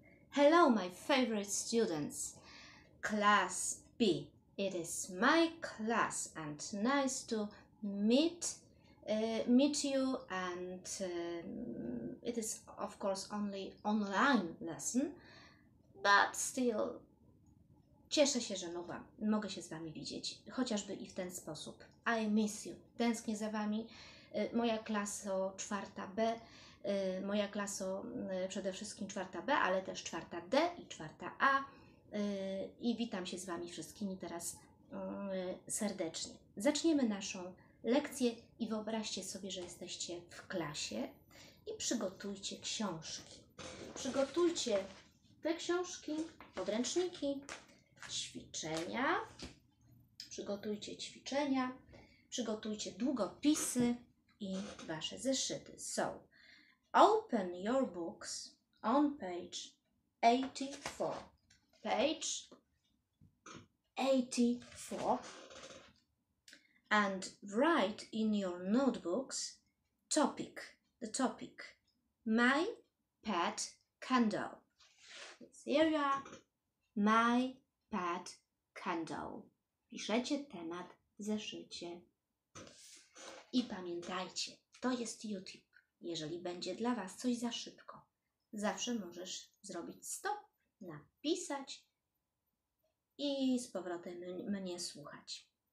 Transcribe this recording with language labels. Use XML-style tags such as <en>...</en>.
<en>Hello, my favorite students. Class B. It is my class and nice to meet you. And it is, of course, only online lesson, but still</en> <pl>cieszę się, że mogę się z wami widzieć, chociażby i w ten sposób.</pl> <en>I miss you.</en> <pl>Tęsknię za wami. Moja klasa 4B. Moja klasa przede wszystkim 4B, ale też 4D i 4A. I witam się z wami wszystkimi teraz serdecznie. Zaczniemy naszą lekcję i wyobraźcie sobie, że jesteście w klasie i przygotujcie książki. Przygotujcie te książki, podręczniki, ćwiczenia. Przygotujcie ćwiczenia, przygotujcie długopisy i wasze zeszyty.</pl> <en>So, open your books on page 84. Page 84 and write in your notebooks topic, the topic, my pet candle. Here you are, my pet candle.</en> <pl>Piszecie temat w zeszycie. I pamiętajcie, to jest YouTube. Jeżeli będzie dla was coś za szybko, zawsze możesz zrobić stop, napisać i z powrotem mnie słuchać.</pl>